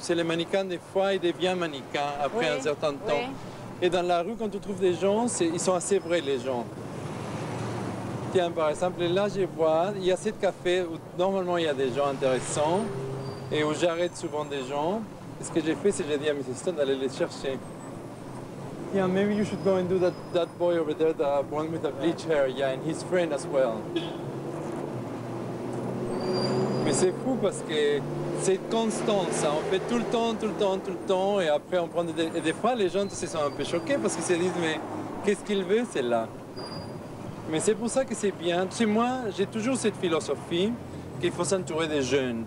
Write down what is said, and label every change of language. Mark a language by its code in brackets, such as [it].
[fr] Tu sais, les mannequins, des fois, ils deviennent mannequins après un certain temps. Et dans la rue, quand tu trouves des gens, ils sont assez vrais, les gens. Tiens, par exemple, là, je vois, il y a cette café où normalement, il y a des gens intéressants et où j'arrête souvent des gens. Et ce que j'ai fait, c'est que j'ai dit à Mrs. Stone d'aller les chercher. [en] Yeah, maybe you should go and do that boy over there, the one with the bleach hair, yeah, and his friend as well. [fr] Mais c'est fou parce que c'est constant, ça. On fait tout le temps, tout le temps, tout le temps, et après on prend des... Et des fois, les gens se sont un peu choqués parce qu'ils se disent, mais qu'est-ce qu'il veut, celle-là? Mais c'est pour ça que c'est bien. Tu sais, moi, j'ai toujours cette philosophie qu'il faut s'entourer des jeunes.